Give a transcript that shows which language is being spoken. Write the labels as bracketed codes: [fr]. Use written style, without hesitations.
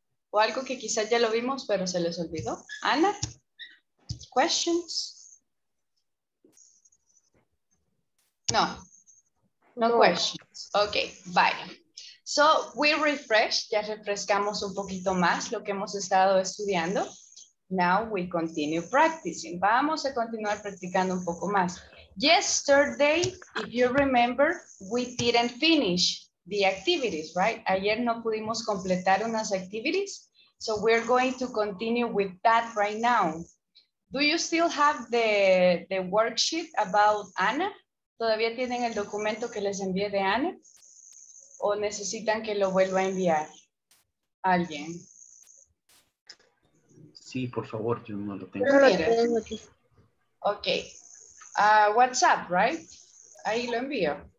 [es] O algo que quizás ya lo vimos, pero se les olvidó. Ana, [en] questions? No, no, no questions. Ok, [es] vaya. [en] So, we refresh, [es] ya refrescamos un poquito más lo que hemos estado estudiando. [en] Now we continue practicing. [es] Vamos a continuar practicando un poco más. [en] Yesterday, if you remember, we didn't finish the activities, right? [es] Ayer no pudimos completar unas activities. [en] So we're going to continue with that right now. Do you still have the worksheet about Anna? [es] ¿Todavía tienen el documento que les envié de Anna? ¿O necesitan que lo vuelva a enviar a alguien? Sí, por favor, yo no lo tengo. Okay. WhatsApp, [en] right? [es] Ahí lo envío.